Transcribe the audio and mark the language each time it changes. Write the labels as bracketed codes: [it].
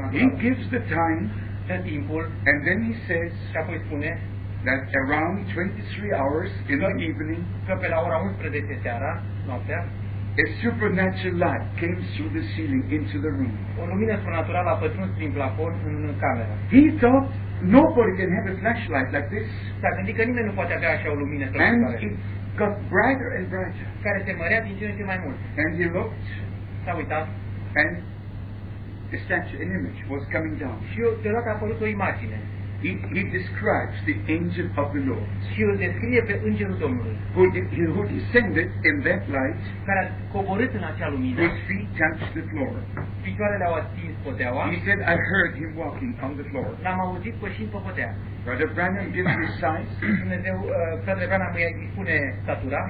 [en] He gives the time and then he says that around 23 hours in the evening, [ro] pe la ora 11 seara, noaptea, [en] a supernatural light came through the ceiling into the room. [ro] O lumină supranaturală a pătruns prin plafon în cameră. [en] He thought nobody can have a flashlight like this. [ro] S-a gândit că nimeni nu poate avea așa o lumină supranaturală. [en] And it got brighter and brighter. [ro] Care se mărea din ce în ce mai mult. [en] And he looked. [ro] S-a uitat. [en] And a statue, an image, was coming down. [ro] Și deodată a apărut o imagine. [en] He describes the angel of the Lord. [ro] Și îl descrie pe Îngerul Domnului. [en] Who descended in that light. [ro] Care a coborât în acea lumină. [en] His feet touched the floor. [ro] Picioarele au atins podeaua. [en] He said, I heard him walking on the floor. [ro] L-am auzit pășind pe podea. [en] Brother Branham gives his size. [ro] Dumnezeu, Brother Branham îi spune statura.